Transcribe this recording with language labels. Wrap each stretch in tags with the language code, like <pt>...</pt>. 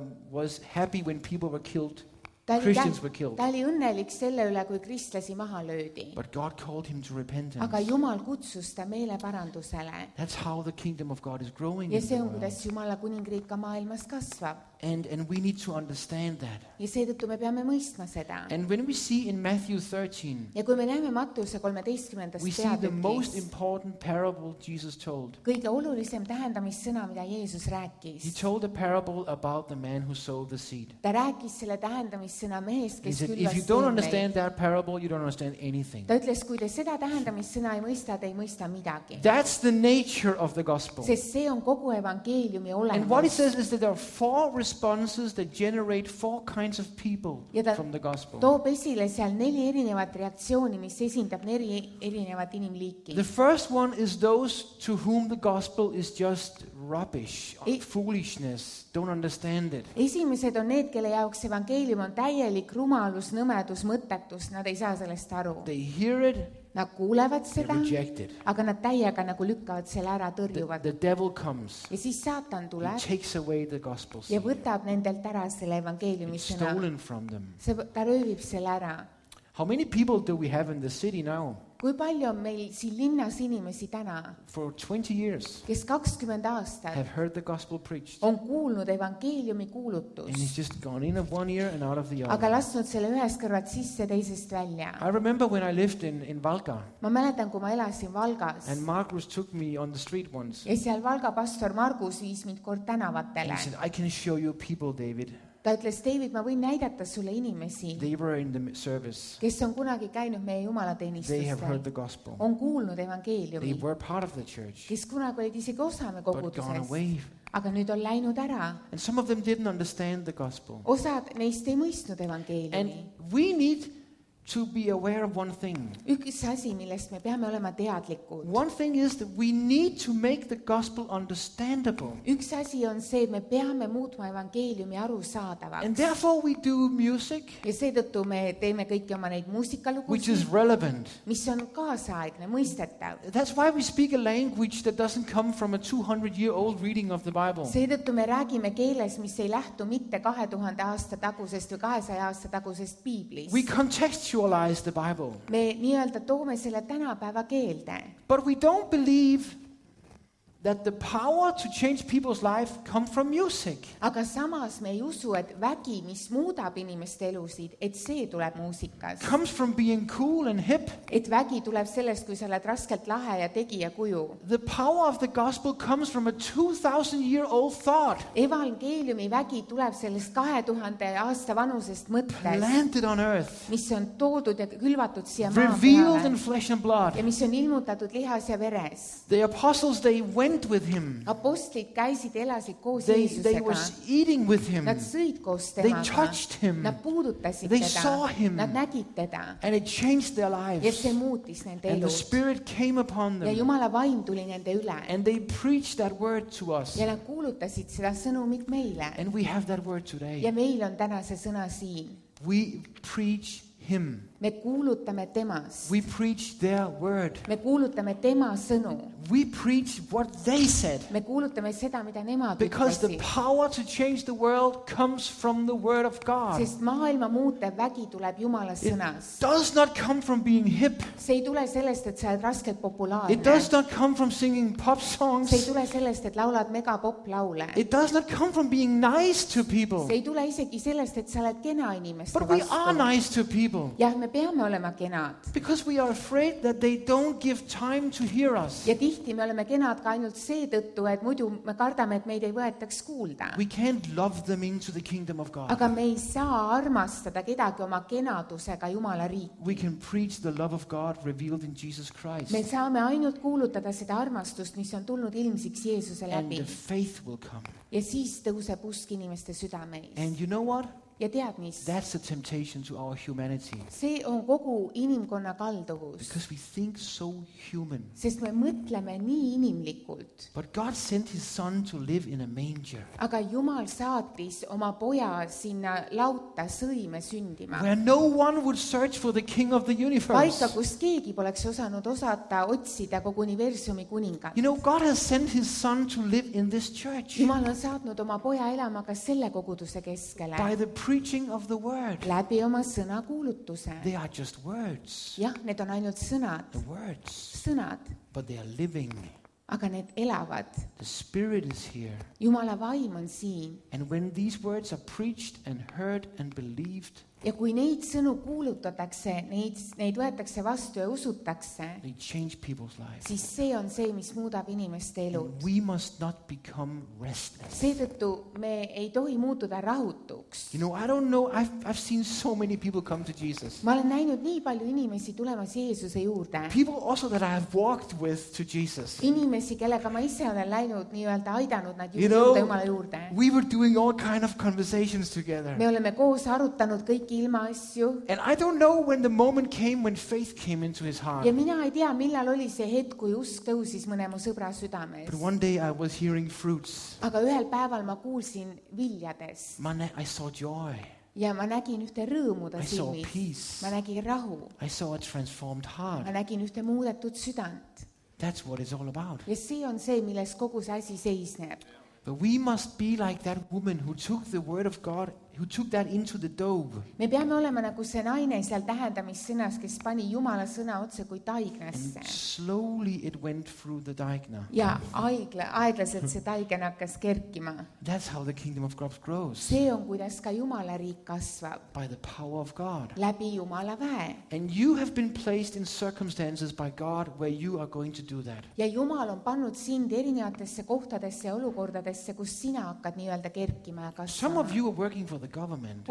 <en>was happy when people were killed. Christians were killed.</en> <et>Ta oli õnnelik selle üle, kui kristlasi maha löödi.</et> <en>But God called him to repentance.</en> <et>Aga Jumal kutsus ta meeleparandusele.</et> <en>That's how the kingdom of God is growing.</en> <et>Ja see on, kuidas Jumala kuningriik ka maailmas kasvab.</et> <en>And we need to understand that.</en> <et>Ja seetõttu me peame mõistma seda.</et> <en>And when we see in Matthew 13.</en> <et>Ja kui me näeme Mattuse 13.</et> <en>We see the most important parable Jesus told.</en> <et>Kõige olulisem tähendamissõna, mida Jeesus rääkis.</et> <en>He told a parable about the man who sowed the seed.</en> <et>Ta rääkis selle tähendamissõna mehest, kes külvas.</et> <en>If you don't understand that parable, you don't understand anything.</en> <et>Ta ütles, kui te seda tähendamissõna ei mõista, te ei mõista midagi.</et> <en>That's the nature of the gospel.</en> <et>Sest see on kogu evangeeliumi olemus.</et> <en>And what it says is that there are four responses that generate four kinds of people from the gospel.</en> <et>Toob esile seal neli erinevat reaktsiooni, mis esindab neli erinevat inimliiki.</et> <en>The first one is those to whom the gospel is just rubbish, foolishness, don't understand it.</en> <et>Esimesed on need, kelle jaoks evangeelium on täielik rumalus, nõmedus, mõttetus, nad ei saa sellest aru.</et> <en>They hear it.</en> <et>Nad kuulevad seda,</et> <en>rejected.</en> <et>Aga nad täiega nagu lükkavad selle ära, tõrjuvad.</et> <en>The devil comes.</en> <et>Ja siis saatan tuleb.</et> <en>He takes away the gospel.</en> <et>Ja võtab nendelt ära selle evangeeliumisena.</et> <en>It's stolen from them.</en> <et>See, ta röövib selle ära.</et> <en>How many people do we have in the city now?</en> <et>Kui palju on meil siin linnas inimesi täna,</et> <en>for 20 years,</en> <et>kes 20 aastat</et> <en>have heard the gospel preached,</en> <et>on kuulnud evangeeliumi kuulutus,</et> <en>and he's just gone in of one ear and out of the other.</en> <et>Aga lasnud selle ühes kõrvad sisse teisest välja.</et> <en>I remember when I lived in Valga.</en> <et>Ma mäletan, kui ma elasin Valgas.</et> <en>And Margus took me on the street once.</en> <et>Ja seal Valga pastor Margus viis mind kord tänavatele.</et> <en>And he said, I can show you people, David.</en> <et>Ta ütles, David, ma võin näidata sulle inimesi,</et> <en>they were in the service,</en> <et>kes on kunagi käinud meie Jumala teenistuste,</et> <en>they have heard the gospel,</en> <et>on kuulnud evangeeliumi,</et> <en>they were part of the church,</en> <et>kes kunagi olid isegi osame koguduses,</et> <en>but gone away.</en> <et>Aga nüüd on läinud ära.</et> <en>And some of them didn't understand the gospel.</en> <et>Osad neist ei mõistnud evangeeliumi.</et> <en>And we need to be aware of one thing.</en> <et>Üks asi, millest me peame olema teadlikud.</et> <en>One thing is that we need to make the gospel understandable.</en> <et>Üks asi on see, et me peame muutma evangeeliumi aru saadavaks.</et> <en>And therefore we do music.</en> <et>Ja seetõttu me teeme kõiki oma neid muusikalugusid.</et> <en>Which is relevant.</en> <et>Mis on kaasaegne, mõistetav.</et> <en>That's why we speak a language that doesn't come from a 200-year-old reading of the Bible.</en> <et>Seetõttu me räägime keeles, mis ei lähtu mitte 2000 aasta tagusest või 200 aasta tagusest piiblist.</et> <en>We contest actualize the Bible.</en> <et>Me nii-öelda toome selle tänapäeva keelde.</et> <en>But we don't believe that the power to change people's life come from music.</en> <et>Aga samas me ei usu, et vägi, mis muudab inimest elusid, et see tuleb muusikas.</et> <en>Comes from being cool and hip.</en> <et>Et vägi tuleb sellest, kui sa oled raskelt lahe ja tegija kuju.</et> <en>The power of the gospel comes from a 2000-year-old thought.</en> <et>Evangeeliumi vägi tuleb sellest 2000 aasta vanusest mõttest.</et> <en>Planted on earth.</en> <et>Mis on toodud ja külvatud siia maa peale.</et> <en>Revealed in flesh and blood.</en> <et>Ja mis on ilmutatud lihas ja veres.</et> <en>The apostles, they went with him.</en> <et>Apostlid käisid elasid koos Jeesusega.</et> <en>They were eating with him.</en> <et>Nad sõid koos temaga.</et> <en>They touched him.</en> <et>Nad puudutasid teda.</et> <en>They saw him.</en> <et>Nad nägid teda.</et> <en>And it changed their lives.</en> <et>Ja see muutis nende elu.</et> <en>And the spirit came upon them.</en> <et>Ja Jumala vaim tuli nende üle.</et> <en>And they preached that word to us.</en> <et>Ja nad kuulutasid seda sõnumit meile.</et> <en>And we have that word today.</en> <et>Ja meil on täna see sõna siin.</et> <en>We preach him.</en> <et>Me kuulutame temas.</et> <en>We preach their word.</en> <et>Me kuulutame tema sõnu.</et> <en>We preach what they said.</en> <et>Me kuulutame seda, mida nemad ütlesid.</et> <en>Because the power to change the world comes from the word of God.</en> <et>Sest maailma muutev vägi tuleb Jumala sõnas.</et> <en>It does not come from being hip.</en> <et>See ei tule sellest, et sa oled raskelt populaarne.</et> <en>It does not come from singing pop songs.</en> <et>See ei tule sellest, et laulad mega pop laule.</et> <en>It does not come from being nice to people.</en> <et>See ei tule isegi sellest, et sa oled kena inimeste vastu.</et> <en>But we are nice to people.</en> <et>Ja me peame olema kenad.</et> <en>Because we are afraid that they don't give time to hear us.</en> <et>Tihti me oleme kenad ka ainult see tõttu, et muidu me kardame, et meid ei võetaks kuulda.</et> <en>We can't love them into the kingdom of God.</en> <et>Aga me ei saa armastada kedagi oma kenadusega Jumala riiki.</et> <en>We can preach the love of God revealed in Jesus Christ.</en> <et>Me saame ainult kuulutada seda armastust, mis on tulnud ilmsiks Jeesuse läbi.</et> <en>And the faith will come.</en> <et>Ja siis tõuseb usk inimeste südameis.</et> <en>And you know what?</en> <et>ja tead mis?</et> <en>That's a temptation to our humanity.</en> <et>See on kogu inimkonna kalduvus.</et> <en>Because we think so human.</en> <et>Sest me mõtleme nii inimlikult.</et> <en>But God sent his son to live in a manger.</en> <et>Aga Jumal saatis oma poja sinna lauta sõime sündima.</et> <en>Where no one would search for the king of the universe.</en> <et>Paika, kus keegi poleks osanud osata otsida kogu universumi kuningat.</et> <en>You know, God has sent his son to live in this church.</en> <et>Jumal on saatnud oma poja elama ka selle koguduse keskele.</et> <en>By the preaching of the word.</en> <et>Läbi oma sõna kuulutuse.</et> <en>They are just words.</en> <et>Ja, need on ainult sõnad.</et> <en>The words.</en> <et>Sõnad.</et> <en>But they are living.</en> <et>Aga need elavad.</et> <en>The spirit is here.</en> <et>Jumala vaim on siin.</et> <en>And when these words are preached and heard and believed.</en> <et>Ja kui neid sõnu kuulutatakse, neid võetakse vastu ja usutakse.</et> <en>They change people's lives.</en> <et>Siis see on see, mis muudab inimeste elud.</et> <en>And we must not become restless.</en> <et>Seetõttu me ei tohi muutuda rahutuks.</et> <en>You know, I don't know. I've seen so many people come to Jesus.</en> <et>Ma olen näinud nii palju inimesi tulemas Jeesuse juurde.</et> <en>People also that I have walked with to Jesus.</en> <et>Inimesi, kellega ma ise olen läinud, nii-öelda aidanud nad Jeesuse Jumala juurde.</et> <en>We were doing all kind of conversations together.</en> <et>Me oleme koos arutanud kõik ilma asju.</et> <en>And I don't know when the moment came when faith came into his heart.</en> <et>Ja mina ei tea, millal oli see hetk, kui usk tõusis mõne mu sõbra südames.</et> <en>But one day I was hearing fruits.</en> <et>Aga ühel päeval ma kuulsin viljades.</et> <en>I saw joy.</en> <et>Ja ma nägin ühte rõõmuda silmis.</et> <en>I saw peace.</en> <et>Ma nägin rahu.</et> <en>I saw a transformed heart.</en> <et>Ma nägin ühte muudetud südant.</et> <en>That's what it's all about.</en> <et>Ja see on see, milles kogu see asi seisneb.</et> <en>But we must be like that woman who took the word of God, who took that into the dove.</en> <et>Me peame olema nagu see naine seal tähendamissõnas, kes pani Jumala sõna otse kui taignasse.</et> <en>And slowly it went through the taigna.</en> <et>Ja aeglaselt see taigen hakkas kerkima.</et> <en>That's how the kingdom of God grows.</en> <et>See on, kuidas ka Jumala riik kasvab.</et> <en>By the power of God.</en> <et>Läbi Jumala väe.</et> <en>And you have been placed in circumstances by God where you are going to do that.</en> <et>Ja Jumal on pannud sind erinevatesse kohtadesse olukordadesse, kus sina hakkad nii-öelda kerkima ja kasvama.</et> <en>Some of you are working for the government.</en>